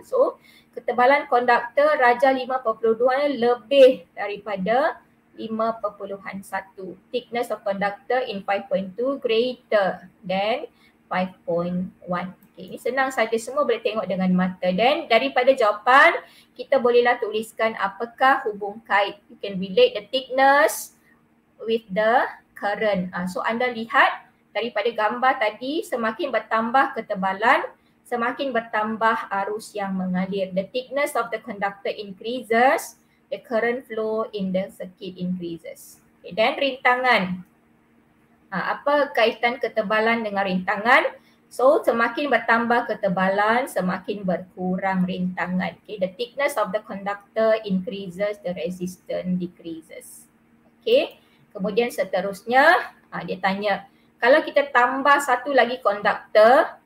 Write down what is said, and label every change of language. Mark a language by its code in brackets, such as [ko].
[ms] So, ketebalan konduktor raja 5.2 lebih daripada 5.1. [en] Thickness of conductor in 5.2 greater than 5.1. [ms] Okay, ini senang saja, semua boleh tengok dengan mata. Dan daripada jawapan, kita bolehlah tuliskan apakah hubung kait. [en] You can relate the thickness with the current. [ms] So anda lihat daripada gambar tadi, semakin bertambah ketebalan, semakin bertambah arus yang mengalir. [en] The thickness of the conductor increases, the current flow in the circuit increases. Okay, then [ms] rintangan. Apa kaitan ketebalan dengan rintangan? So, semakin bertambah ketebalan, semakin berkurang rintangan. [en] Okay, the thickness of the conductor increases, the resistance decreases. [ms] Okay, kemudian seterusnya dia tanya, kalau kita tambah satu lagi konduktor,